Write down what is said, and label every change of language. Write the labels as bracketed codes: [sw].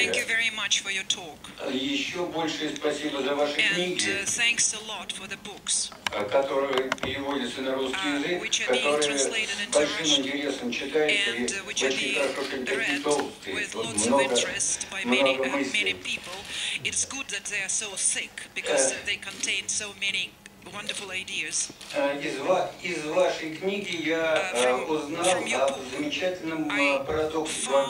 [en] Thank you very much for your talk. [ru] Еще большее спасибо за ваши [en] and, [ru] книги. [en] Thanks a lot for the books, [ru] которые переводятся на русский язык, [en] which [ru] которые с большим интересом читаются [en] and, [ru] и очень хорошо читаются толстые. Вот много мыслей. [en] It's good that they are so thick because they contain so many wonderful ideas. [ru] Из вашей книги я узнал о замечательном парадоксе